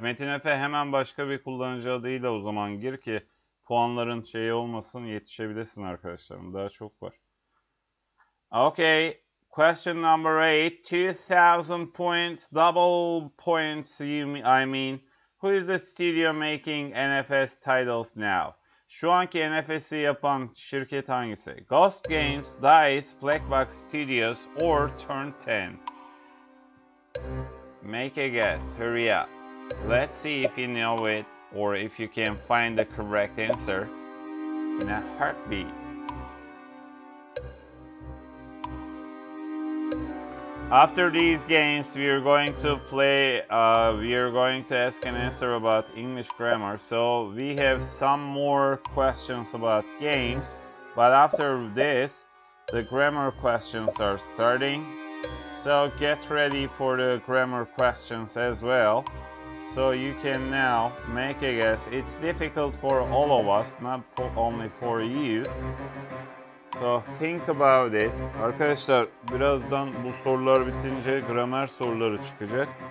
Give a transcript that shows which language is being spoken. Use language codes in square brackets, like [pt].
[tr] Metin Efe hemen başka bir kullanıcı adıyla o zaman gir ki puanların şeyi olmasın, yetişebilirsin arkadaşlarım. Daha çok var. Okay. [en] Question number 8, 2000 points, double points, who is the studio making NFS titles now? [tr] Şu anki NFS'i yapan şirket hangisi? Ghost Games, DICE, Black Box Studios or Turn 10? [en] Make a guess, hurry up. Let's see if you know it or if you can find the correct answer in a heartbeat. After these games, we are going to play, we are going to ask and answer about English grammar. So we have some more questions about games. But after this, the grammar questions are starting. So get ready for the grammar questions as well. So you can now make a guess. It's difficult for all of us, not for, only for you. So think about it. [tr] Arkadaşlar birazdan bu sorular bitince gramer soruları çıkacak.